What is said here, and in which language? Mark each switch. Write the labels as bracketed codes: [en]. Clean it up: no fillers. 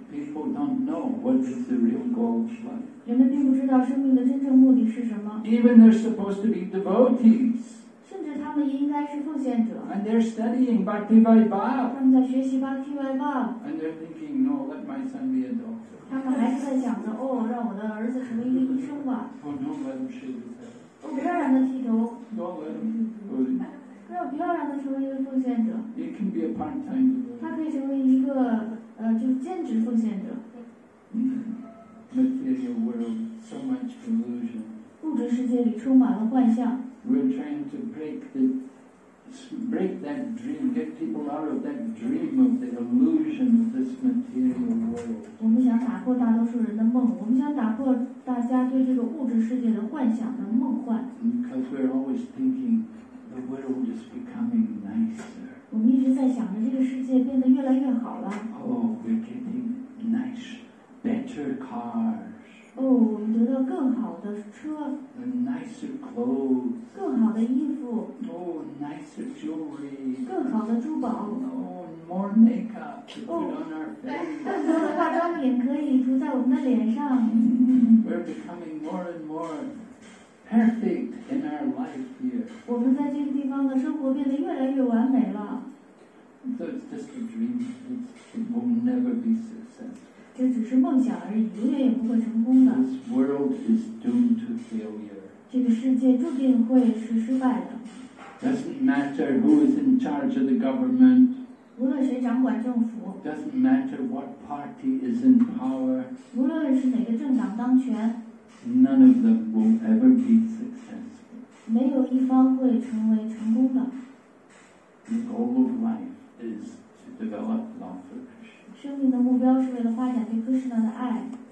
[en] People don't know what is the real goal of life. [zh] 人们并不知道生命的真正目的是什么。 [en] Even they're supposed to be devotees. [zh] 甚至他们也应该是奉献者。 [en] And they're studying Bhakti Vaibhava. [zh] 他们在学习 Bhakti Vaibhava. [en] And they're thinking, no, let my son be a doctor. [zh] 他们还是在想着，哦，让我的儿子成为一个医生吧。 [en] Oh, don't let him shave his head. [zh] 哦，不要让他剃头。 [en] Don't let him. [zh] 不要让他成为一个奉献者。 [en] He can be a part-time devotee. [zh] 他可以成为一个就兼职奉献者。 [en] Material world, so much delusion. [zh] 物质世界里充满了幻象。 [en] We're trying to break that dream, get people out of that dream of the illusion of this material world. [zh] 我们想打破大多数人的梦，我们想打破大家对这个物质世界的幻想的梦幻。 [en] Because we're always thinking the world is becoming nicer. [zh] 我们一直在想着这个世界变得越来越好了。 [en] Oh, we're getting nicer. Better cars. [zh] Oh, 我们得到更好的车。 [en] Nicer clothes. [zh] 更好的衣服。 [en] Oh, nicer jewelry. [zh] 更好的珠宝。 [en] Oh, more makeup to put on our face. [zh] 更多的化妆品可以涂在我们的脸上。 [en] We're becoming more and more perfect in our life here. [zh] 我们在这个地方的生活变得越来越完美了。 [en] So it's just a dream. It will never be successful. [zh] 这只是梦想而已，永远也不会成功的。 [en] This world is doomed to failure. [zh] 这个世界注定会是失败的。 [en] Doesn't matter who is in charge of the government. [zh] 无论谁掌管政府。 [en] Doesn't matter what party is in power. [zh] 无论是哪个政党当权。 [en] None of them will ever be successful. [zh] 没有一方会成为成功的。 [en] The goal of life is to develop love for Krishna. [zh] 生命的目标是为了发展对科士纳的爱。